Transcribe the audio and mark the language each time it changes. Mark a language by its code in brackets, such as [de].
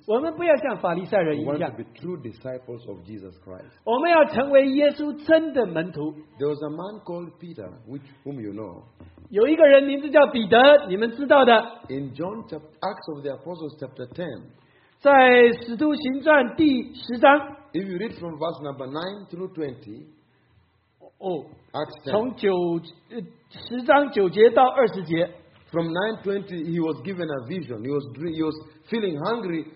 [zh] 我们不要像法利赛人一样, [en] we want to be true disciples of Jesus Christ. [zh] 我们要成为耶稣真的门徒。 [en] There was a man called Peter, whom you know. [zh] 有一个人名字叫彼得, 你们知道的。 [en] In John chapter, Acts of the Apostles chapter 10, [zh] 在《使徒行传》第10章， [en] if you read from verse number 9 through 20, Acts 10, [zh] 从十章九节到二十节， [en] from 9:20 he was given a vision. He was feeling hungry.